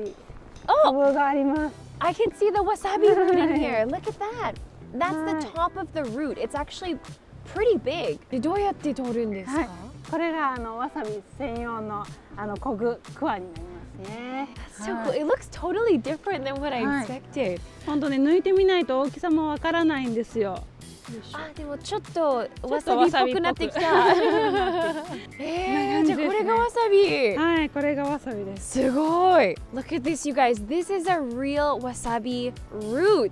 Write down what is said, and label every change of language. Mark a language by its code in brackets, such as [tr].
[ja] あの、成長したわさびになりますね。すごい。はい。ちょうどね、今こう花が咲いてます。ここにね、わさび株があります。 [en] I can see the wasabi rooting here. Look at that. That's the top of the root. It's actually pretty big. [ja] どうやって取るんですか？これがあの、わさび専用のあの、コグクワになります。 [en] That's so cool. It looks totally different than what I expected. [ja] 本当ね、抜いてみないと大きさもわからないんですよ。あ、でもちょっとわさびっぽくなってきた。じゃあこれがわさび。はい、これがわさびです。すごい! [en] Look at this, you guys. This is a real wasabi root.